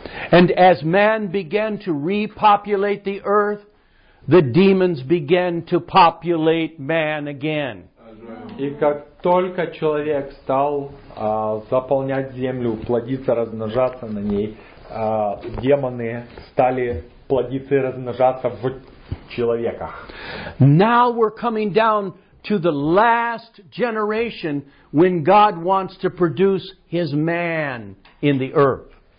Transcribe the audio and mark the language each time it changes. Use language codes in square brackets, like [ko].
[en] And as man began to repopulate the earth, the demons began to populate man again. [ru] И как только человек стал заполнять землю, плодиться, размножаться на ней, демоны стали плодиться и размножаться в человеках. [en] Now we're coming down to the last generation when God wants to produce His man in the earth.